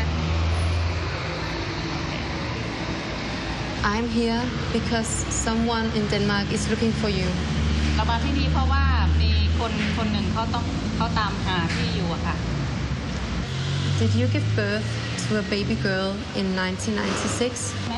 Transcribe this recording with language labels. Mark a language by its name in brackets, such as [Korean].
[English] ะ I'm here because someone in Denmark is looking for you. [Thai] เรามาที่นี่เพราะว่ามีคนหนึ่งเขาตามหาที่อยู่อะค่ะ [English] Did you give birth to a baby girl in 1996?